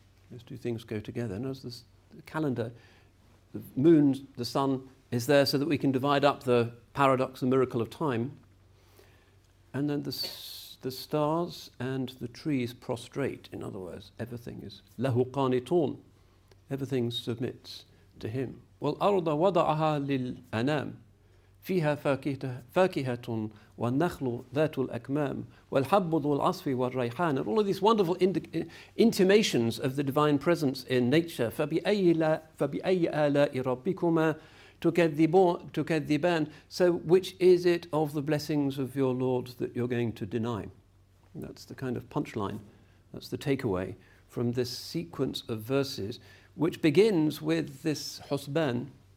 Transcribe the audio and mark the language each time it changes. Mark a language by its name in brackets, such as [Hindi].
[English] Those two things go together. And as the calendar, the moon, the sun, is there so that we can divide up the paradox and miracle of time. And then the stars and the trees prostrate. In other words, everything is [Arabic] lahu qanitun. [English] Everything submits to him. [Arabic] Well, arda wada'aha lil anam. فيها فاكهة والنخل ذات الأكمام والحب ذو العصف والريحان. [English] And all of these wonderful intimations of the divine presence in nature. [Arabic] فبأي آلاء ربكما تكذبان. [English] So which is it of the blessings of your Lord that you're going to deny? And that's the kind of punchline, that's the takeaway from this sequence of verses, which begins with this husban.